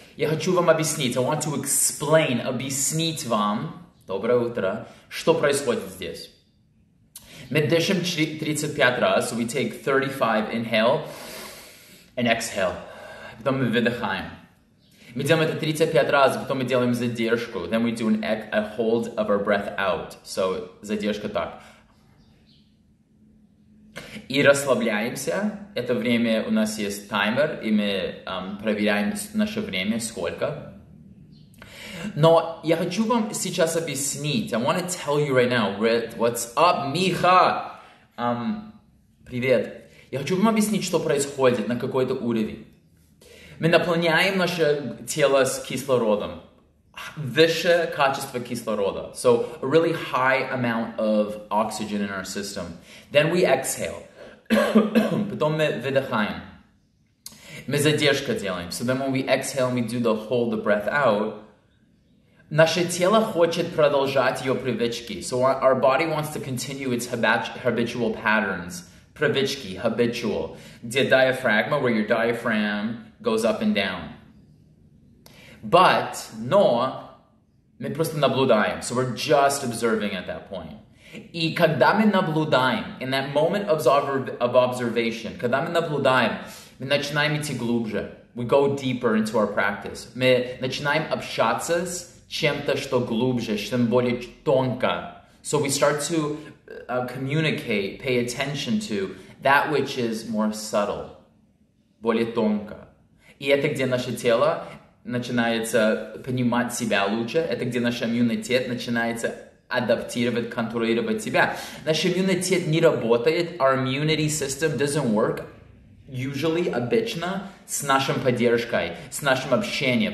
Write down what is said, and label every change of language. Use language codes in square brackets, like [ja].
[ru] Я хочу вам объяснить. [en] I want to explain, [ru] объяснить вам. Доброе утро. Что происходит здесь? Мы дышим 35 раз, [en] so we take 35 inhale and exhale. [ru] Потом мы выдыхаем. Мы делаем это 35 раз, потом мы делаем задержку. [en] Then we do a hold of our breath out. [ru] So, задержка так. И расслабляемся. Это время у нас есть таймер, и мы проверяем наше время, сколько. Но я хочу вам сейчас объяснить. [en] I want to tell you right now, what's up, Миха? [ru] Привет. Я хочу вам объяснить, что происходит на какой-то уровень. Мы наполняем наше тело с кислородом. Выше качество кислорода. [en] So, a really high amount of oxygen in our system. Then we exhale. [ru] Потом мы выдыхаем. Мы задержку делаем. [en] So then when we exhale, we do the hold the breath out. [ru] Наше тело хочет продолжать ее привычки. [en] So our body wants to continue its habitual patterns. Привычки, habitual. [ru] Где диафрагма, [en] where your diaphragm goes up and down. [ru] But, но, мы просто наблюдаем. [en] So we're just observing at that point. [ru] И когда мы наблюдаем, [en] in that moment of observation, [ru] когда мы наблюдаем, мы начинаем идти глубже. [en] We go deeper into our practice. [ru] Мы начинаем общаться чем-то, что глубже, чем более тонко. [en] So we start to communicate, pay attention to that which is more subtle, [ru] более тонко. И это где наше тело начинается понимать себя лучше, это где наш иммунитет начинается адаптировать, контролировать себя. Наш иммунитет не работает, [en] our immunity system doesn't work usually, [ru] обычно, с нашим поддержкой, с нашим общением.